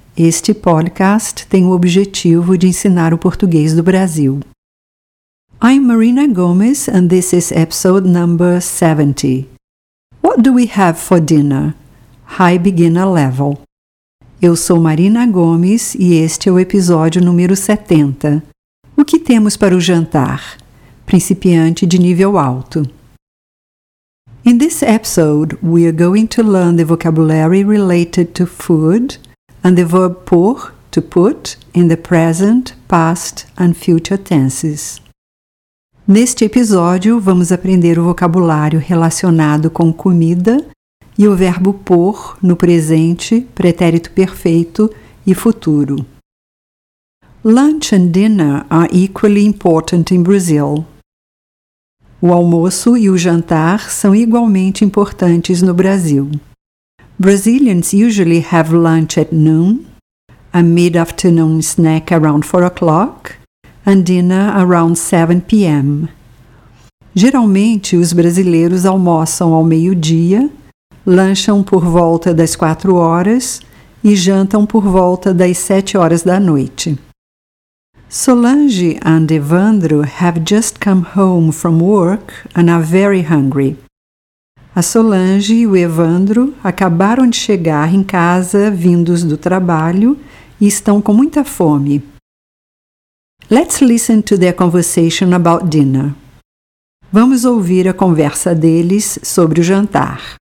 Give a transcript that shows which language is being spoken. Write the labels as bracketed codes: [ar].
[pt] Este podcast tem o objetivo de ensinar o português do Brasil. [en] I'm Marina Gomes and this is episode number 70. What do we have for dinner? High beginner level. [pt] Eu sou Marina Gomes e este é o episódio número 70. O que temos para o jantar? Principiante de nível alto. [en] In this episode, we are going to learn the vocabulary related to food and the verb pôr, to put, in the present, past and future tenses. [pt] Neste episódio, vamos aprender o vocabulário relacionado com comida e o verbo pôr no presente, pretérito perfeito e futuro. [en] Lunch and dinner are equally important in Brazil. [pt] O almoço e o jantar são igualmente importantes no Brasil. [en] Brazilians usually have lunch at noon, a mid-afternoon snack around 4 o'clock, and dinner around 7 p.m. [pt] Geralmente, os brasileiros almoçam ao meio-dia, lancham por volta das 4 horas e jantam por volta das 7 horas da noite. [en] Solange and Evandro have just come home from work and are very hungry. [pt] A Solange e o Evandro acabaram de chegar em casa vindos do trabalho e estão com muita fome. [en] Let's listen to their conversation about dinner. [pt] Vamos ouvir a conversa deles sobre o jantar.